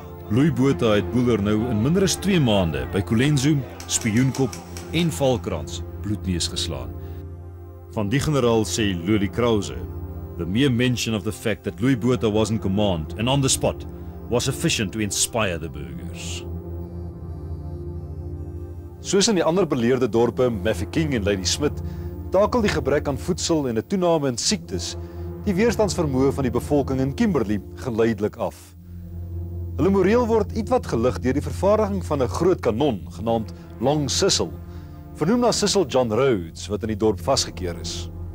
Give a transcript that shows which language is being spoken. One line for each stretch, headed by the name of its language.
Afrikaans: Louis Botha het Boeler nou in minder as 2 maande by Colenso, Spioenkop en Valkrans bloedneus geslaan. Van die generaal sê Lodi Krause:
English: "The mere mention of the fact that Louis Botha was in command and on the spot was sufficient to inspire the burghers."
Afrikaans: Soos in die ander beleerde dorpe, Mafeking en Ladysmith, takel die gebrek aan voedsel en 'n toename in siektes die weerstandsvermoë van die bevolking in Kimberley geleidelik af. Hulle moreel word ietwat gelig deur die vervaardiging van 'n groot kanon genaamd Long Sissel, vernoem na Sissel John Rhodes wat in die dorp vasgekeer is.